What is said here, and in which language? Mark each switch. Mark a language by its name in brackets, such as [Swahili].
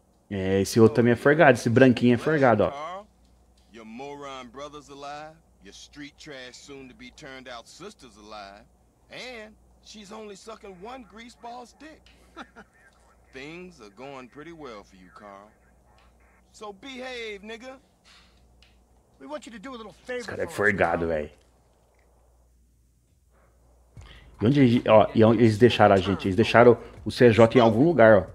[Portuguese] É, esse outro também é forgado. Esse branquinho é forgado, ó. [English] Moron brother's alive. Your street trash soon to be turned out sister's alive. And she's only sucking one greaseball's dick. Things are going pretty well for you, Carl. So behave, nigga. We want you to do a little favor. [Portuguese] Cara, é forgado, velho. E onde, ó, e onde eles deixaram a gente? Eles deixaram o CJ em algum lugar, ó.